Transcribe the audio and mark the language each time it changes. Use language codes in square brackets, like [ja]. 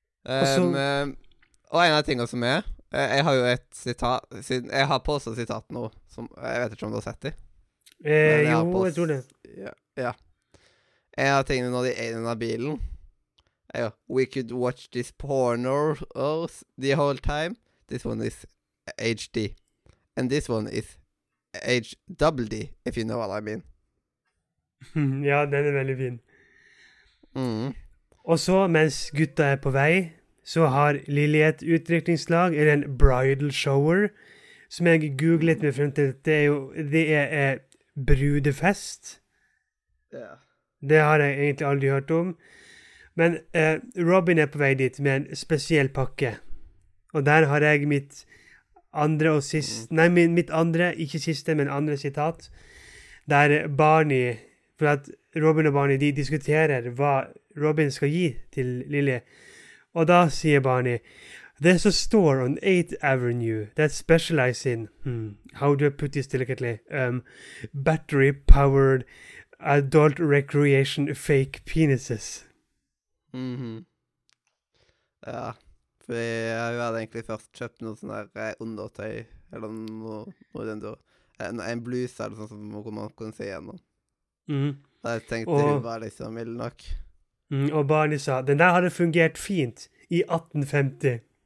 [no] Og en av tingene som er, jeg har jo et sitat, jeg har postet sitat nå, som jeg vet ikke om du har sett det. Jeg tror det. Ja. En av tingene når de er i denne bilen, er jo, [en] we could watch this porno the whole time. This one is HD. And this one is HDD, if you know what I mean. [no] Ja, den er veldig fin. Mm. Og så, mens gutta er på vei, så har Lily et utrykningslag, eller en bridal shower, som jeg googlet meg frem til. Det er jo, det er brudefest. Ja. Yeah. Det har jeg egentlig aldri hørt om. Men Robin er på vei dit med en spesiell pakke. Og der har jeg mitt andre og sist, nei, mitt andre, ikke siste, men andre sitat, der Barney, for at Robin og Barney, de diskuterer hva Robin skal gi til Lily. Og da sier [en] Barney, there's a store on 8th Avenue that specializes in, how do I put this delicately, battery-powered adult recreation fake penises. [no] Mhm. Ja. Fordi jeg hadde egentlig først kjøpt noe sånn der undertøy, eller noe den der. En bluse eller sånn som man kunne se igjennom. Mhm. Da jeg tenkte og, hun var liksom mild nok. Mm, og Barney sa, den der hadde fungert fint i 1850.